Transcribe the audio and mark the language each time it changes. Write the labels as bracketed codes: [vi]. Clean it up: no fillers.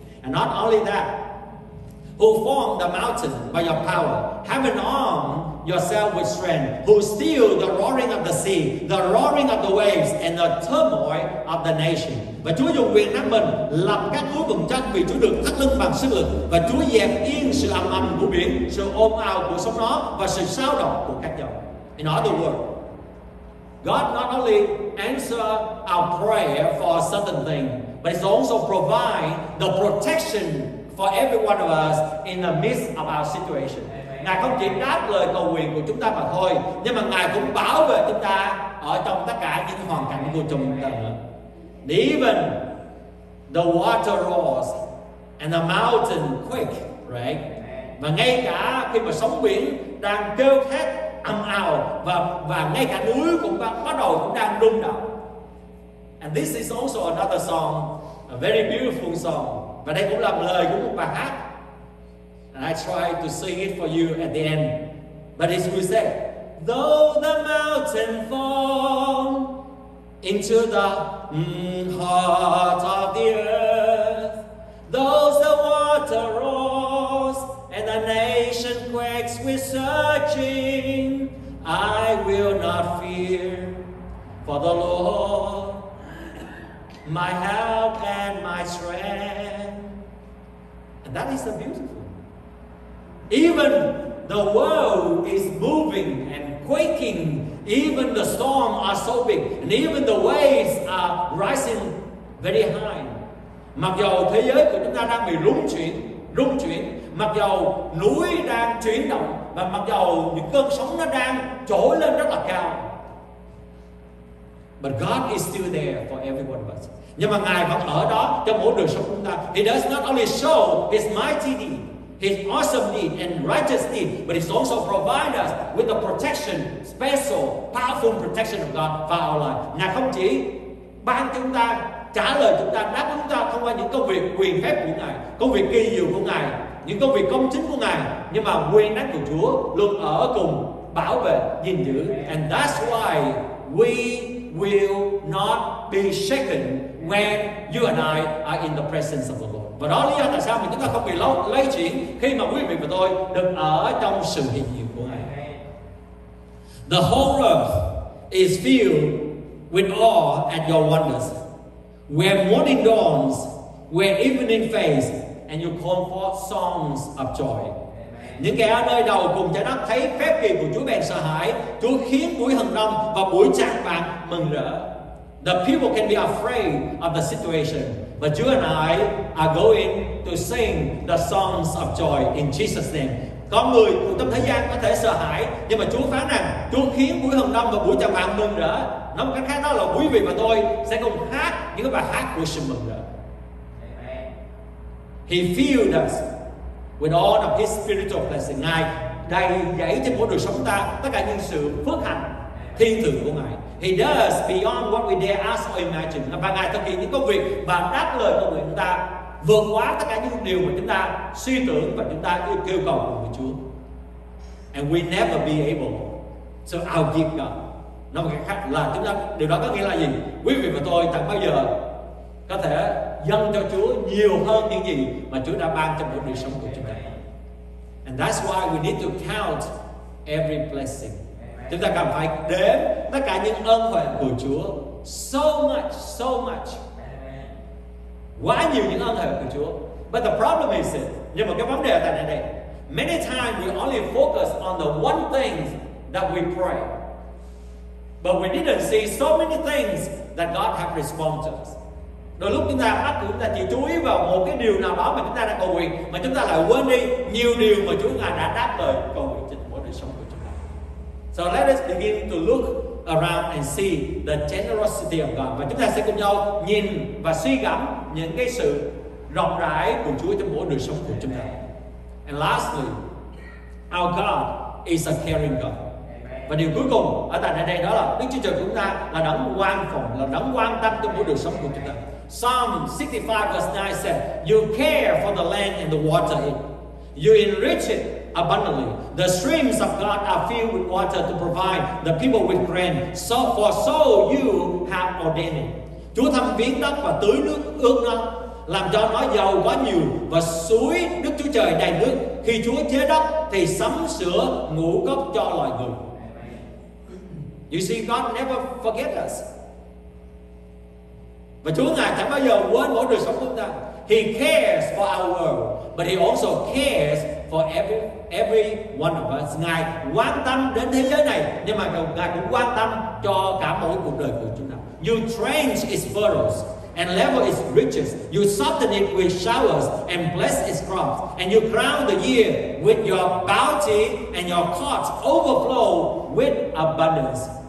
[en] And not only that, who formed the mountain by your power, having armed yourself with strength, who stilled the roaring of the sea, the roaring of the waves, and the turmoil of the nation. [vi] Và Chúa dùng quyền năng mình lập các núi vững chắc vì Chúa được thắt lưng bằng sức lực, và Chúa dẹp yên sự ầm ầm của biển, sự ồn ào của sóng nó và sự sao động của các dòng. [en] In other words, God not only answer our prayer for a certain thing, but He also provide the protection for every one of us in the midst of our situation. [vi] Ngài không chỉ đáp lời cầu nguyện của chúng ta mà thôi, nhưng mà Ngài cũng bảo vệ chúng ta ở trong tất cả những hoàn cảnh của chúng ta. [en] Even the water roars and the mountain quake, right? [vi] Và ngay cả khi mà sóng biển đang kêu thét ầm ào và ngay cả núi cũng bắt đầu đang rung động. [en] And this is also another song, a very beautiful song. [vi] Và đây cũng là lời của một bài hát. [en] And I try to sing it for you at the end. But it will say, though the mountain fall into the heart of the earth, though the water roars and the nation quakes with searching, I will not fear, for the Lord, my help and my strength. And that is so beautiful. Even the world is moving and quaking, even the storms are so big, and even the waves are rising very high. [vi] Mặc dù thế giới của chúng ta đang bị rung chuyển, mặc dù núi đang chuyển động, và mặc dù những cơn sóng nó đang trỗi lên rất là cao. [en] But God is still there for every one of us. [vi] Nhưng mà Ngài vẫn ở đó cho mỗi đời sống chúng ta. [en] He does not only show His mighty deed, His awesome deed and righteous deed, but He's also provide us with the protection, special, powerful protection of God for our life. [vi] Ngài không chỉ ban chúng ta, trả lời chúng ta, đáp chúng ta thông qua những công việc quyền phép của Ngài, công việc kỳ diệu của Ngài, những công việc công chính của Ngài, nhưng mà quyền năng của Chúa luôn ở cùng, bảo vệ, gìn giữ. [en] And that's why we will not be shaken when you and I are in the presence of the Lord. [vi] Và đó là lý do tại sao mà chúng ta không bị lay chuyển khi mà quý vị và tôi được ở trong sự hiện diện của Ngài. [en] The whole earth is filled with awe at your wonders. Where morning dawns, where evening fades, and you call for songs of joy. [vi] Những kẻ ở nơi đầu cùng trái đất thấy phép kỳ của Chúa bèn sợ hãi. Chúa khiến buổi hừng đông và buổi chạng vạng mừng rỡ. [en] The people can be afraid of the situation, But you and I are going to sing the songs of joy in Jesus' name. [vi] Có người trong thế gian có thể sợ hãi, nhưng mà Chúa phán rằng Chúa khiến buổi hôm năm và buổi chào mừng mừng rỡ. Nói một cách khác, đó là quý vị và tôi sẽ cùng hát những cái bài hát của sự mừng rỡ. [en] He filled us with all of His spiritual blessings. [vi] Ngài đầy dẫy trên mỗi đời sống ta tất cả những sự phước hạnh thiên thượng của Ngài. [en] He does beyond what we dare ask or imagine. [vi] Và Ngài thực hiện những công việc và đáp lời của người chúng ta vượt quá tất cả những điều mà chúng ta suy tưởng và chúng ta kêu cầu của Chúa. [en] And we never be able to outgive God. [vi] Nói một cách khác là chúng ta, điều đó có nghĩa là gì? Quý vị và tôi chẳng bao giờ có thể dâng cho Chúa nhiều hơn những gì mà Chúa đã ban cho mỗi đời sống của chúng ta. [en] And that's why we need to count every blessing. [vi] Chúng ta cần phải đếm tất cả những ân huệ của Chúa. [en] So much. [vi] Quá nhiều những ân huệ của Chúa. [en] But the problem is it. [vi] Nhưng mà cái vấn đề ở tại này đây. [en] Many times we only focus on the one thing that we pray. But we didn't see so many things that God have responded to us. [vi] Đôi lúc chúng ta bắt chúng ta chỉ chú ý vào một cái điều nào đó mà chúng ta đã cầu nguyện, mà chúng ta lại quên đi nhiều điều mà chúng ta đã đáp lời cầu nguyện trên mỗi đời sống của chúng ta. [en] So let us begin to look around and see the generosity of God. [vi] Và chúng ta sẽ cùng nhau nhìn và suy gẫm những cái sự rộng rãi của Chúa trong mỗi đời sống của chúng ta. [en] And lastly, our God is a caring God. [vi] Và điều cuối cùng ở tại đây đó là Đức Chúa Trời của chúng ta là đấng quan phòng, là đấng quan tâm trong mỗi đời sống của chúng ta. [en] Psalm 65 verse 9 said, "You care for the land and the water in it. You enrich it abundantly. The streams of God are filled with water to provide the people with grain. So for so you have ordained it." [vi] Chúa thăm viếng đất và tưới nước ươm nó, làm cho nó giàu quá nhiều và suối Đức Chúa Trời đầy nước. Khi Chúa chế đất thì sắm sửa ngũ cốc cho loài người. [en] You see, God never forget us. [vi] Và Chúa Ngài chẳng bao giờ quên mỗi đời sống của chúng ta. [en] He cares for our world, but He also cares for every one of us. [vi] Ngài quan tâm đến thế giới này, nhưng mà Ngài cũng quan tâm cho cả mỗi cuộc đời của chúng ta. [en] You trench its furrows and level its riches. You soften it with showers and bless its crops. And you crown the year with your bounty and your courts overflow with abundance.